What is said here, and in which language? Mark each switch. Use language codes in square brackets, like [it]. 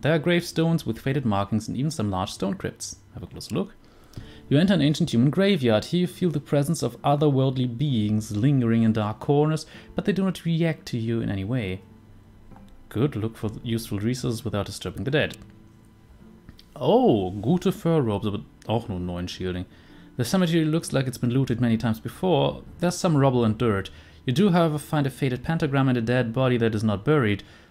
[en] There are gravestones with faded markings and even some large stone crypts. Have a closer look. You enter an ancient human graveyard. Here you feel the presence of otherworldly beings lingering in dark corners, but they do not react to you in any way. Good, look for useful resources without disturbing the dead. [de] Oh, gute fur robes, aber auch nur 9 shielding. [en] The cemetery looks like it's been looted many times before. There's some rubble and dirt. You do, however, find a faded pentagram and a dead body that is not buried.